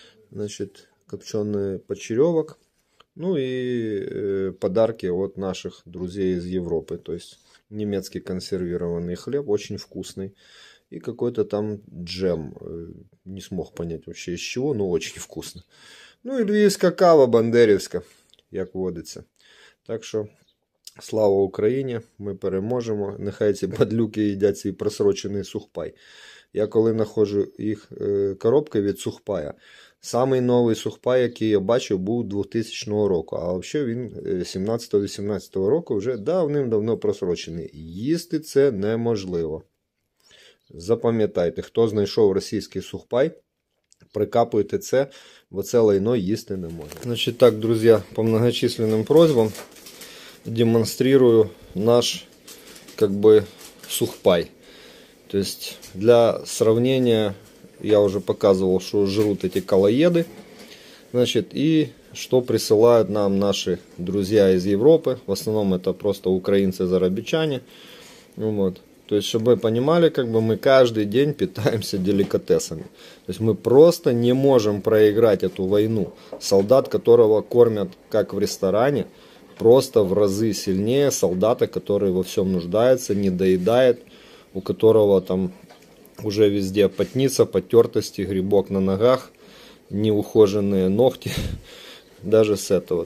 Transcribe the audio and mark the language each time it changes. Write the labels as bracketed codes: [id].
[ru] Значит, копченый почеревок. Ну и подарки от наших друзей из Европы. То есть немецкий консервированный хлеб, очень вкусный. И какой-то там джем. Не смог понять вообще из чего, но очень вкусно. [uk] Ну и львівська кава бандерівська, як водиться. [ru] Так что, слава Украине, [uk] мы переможемо. [ru] Нехай эти бадлюки едят свой просроченный сухпай. [uk] Я коли [ru] нахожу их коробки [uk] від сухпая, [ru] самый новый [uk] сухпай, який я бачив, був 2000 року. [ru] А вообще, [uk] він 17-18 року вже давним-давно просрочений. Їсти це неможливо. Запам'ятайте, хто знайшов російський сухпай, прикапуйте це, бо це лайно їсти не можна. Значить так, друзі, по многочисленним просьбам демонструю наш, як би, сухпай. Тобто, для сравнення, я вже показував, що жрут ці калоєди. Значить, і що присилають нам наші друзі із Європи. В основному це просто українці-заробітчани. Ну, от. [ru] То есть, чтобы вы понимали, как бы мы каждый день питаемся деликатесами. То есть, мы просто не можем проиграть эту войну. Солдат, которого кормят, как в ресторане, просто в разы сильнее солдата, который во всем нуждается, недоедает, у которого там уже везде потница, потертости, грибок на ногах, неухоженные ногти. Даже с этого.